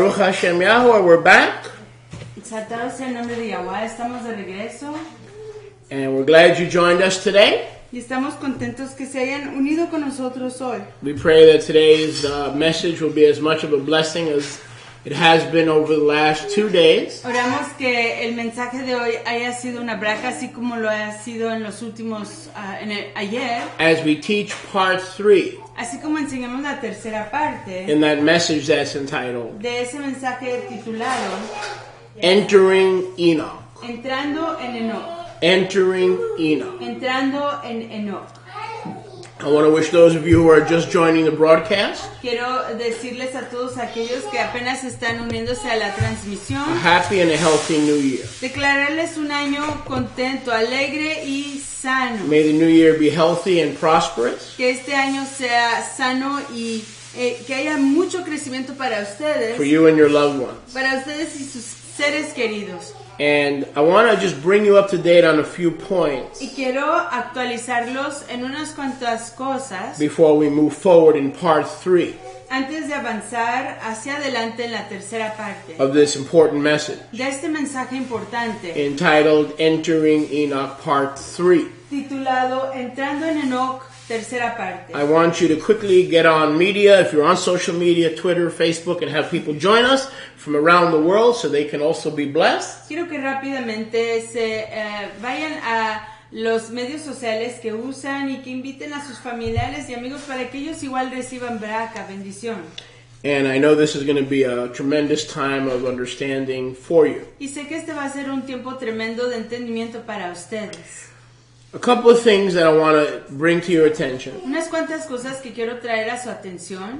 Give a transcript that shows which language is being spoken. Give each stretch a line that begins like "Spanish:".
English: Hashem Yahweh, we're back.
Spanish: Exaltado sea el nombre de Yahweh, estamos de regreso.
English: And we're glad you joined us today.
Spanish: Y estamos contentos que se hayan unido con nosotros hoy.
English: We pray that today's message will be as much of a blessing as it has been over the last 2 days.
Spanish: Oramos que el mensaje de hoy haya sido una braca así como lo ha sido en los últimos, ayer.
English: As we teach part 3.
Spanish: Así como enseñamos la tercera parte.
English: In that message that's entitled.
Spanish: De ese mensaje titulado.
English: Entering Enoch.
Spanish: Entrando en Enoch.
English: Entering Enoch.
Spanish: Entrando en Enoch.
English: I want to wish those of you who are just joining the broadcast.
Spanish: Quiero decirles a todos aquellos que apenas están uniéndose a la transmisión.
English: A happy and a healthy new year.
Spanish: Declararles un año contento, alegre y sano.
English: May the new year be healthy and prosperous.
Spanish: Que este año sea sano y que haya mucho crecimiento para ustedes.
English: For you and your loved ones.
Spanish: Para ustedes y sus seres queridos.
English: And I want to just bring you up to date on a few points.
Spanish: Y quiero actualizarlos en unas cuantas cosas.
English: Before we move forward in part 3.
Spanish: Antes de avanzar hacia adelante en la tercera parte.
English: Of this important message.
Spanish: De este mensaje importante.
English: Entitled Entering Enoch Part 3.
Spanish: Titulado Entrando en Enoch Tercera Parte.
English: I want you to quickly get on media, if you're on social media, Twitter, Facebook, and have people join us from around the world so they can also be blessed.
Spanish: Quiero que rápidamente se vayan a los medios sociales que usan y que inviten a sus familiares y amigos para que ellos igual reciban braca, bendición.
English: And I know this is going to be a tremendous time of understanding for you.
Spanish: Y sé que este va a ser un tiempo tremendo de entendimiento para ustedes.
English: A couple of things that I want to bring to your attention.
Spanish: Unas cuantas cosas que quiero traer a su atención.